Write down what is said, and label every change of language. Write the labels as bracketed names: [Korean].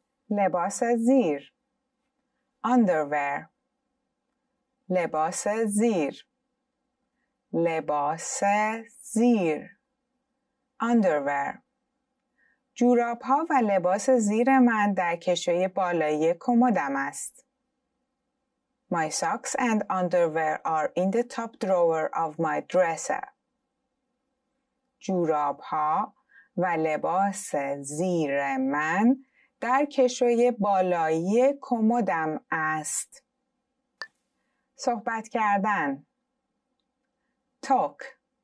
[Persian] لباس زیر. [English] Underwear. [Persian] لباس زیر. لباس زیر. [English] Underwear. [Persian] جوراب ها و لباس زیر من در کشوی بالایی کمدم است. [English] My socks and underwear are in the top drawer of my dresser. [Persian] جوراب ها و لباس زیر من در کشوی بالایی کمدم است. صحبت کردن. [English] Talk.